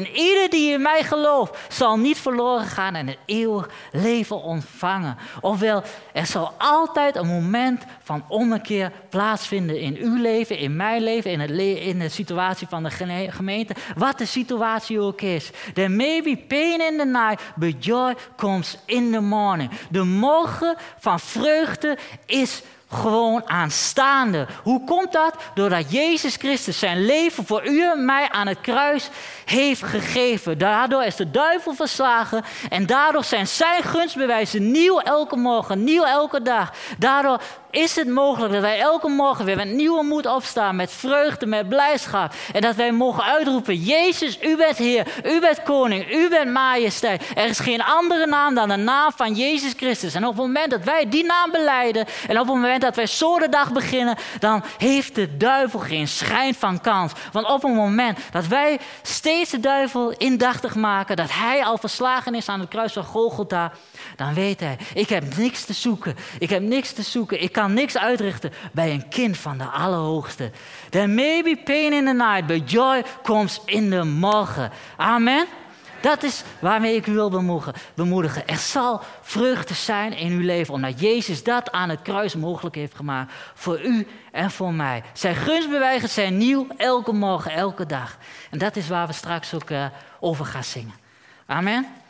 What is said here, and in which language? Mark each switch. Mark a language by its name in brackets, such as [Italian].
[Dutch] Een ieder die in mij gelooft, zal niet verloren gaan en een eeuwig leven ontvangen. Ofwel, er zal altijd een moment van ommekeer plaatsvinden in uw leven, in mijn leven, in de situatie van de gemeente, wat de situatie ook is. [English] There may be pain in the night, but joy comes in the morning. [Dutch] De morgen van vreugde is gewoon aanstaande. Hoe komt dat? Doordat Jezus Christus zijn leven voor u en mij aan het kruis heeft gegeven. Daardoor is de duivel verslagen en daardoor zijn zijn gunstbewijzen nieuw elke morgen, nieuw elke dag. Daardoor is het mogelijk dat wij elke morgen weer met nieuwe moed opstaan, met vreugde, met blijdschap. En dat wij mogen uitroepen, Jezus, u bent Heer, u bent Koning, u bent Majesteit. Er is geen andere naam dan de naam van Jezus Christus. En op het moment dat wij die naam belijden, en op het moment dat wij zo de dag beginnen, dan heeft de duivel geen schijn van kans. Want op het moment dat wij steeds de duivel indachtig maken, dat hij al verslagen is aan het kruis van Golgotha, dan weet hij, ik heb niks te zoeken. Ik heb niks te zoeken. Ik kan niks uitrichten bij een kind van de Allerhoogste. [English] There may be pain in the night, but joy comes in the morgen. [Dutch] Amen. Dat is waarmee ik u wil bemoedigen. Er zal vreugde zijn in uw leven, omdat Jezus dat aan het kruis mogelijk heeft gemaakt voor u en voor mij. Zijn gunstbewijzen zijn nieuw, elke morgen, elke dag. En dat is waar we straks ook over gaan zingen. Amen.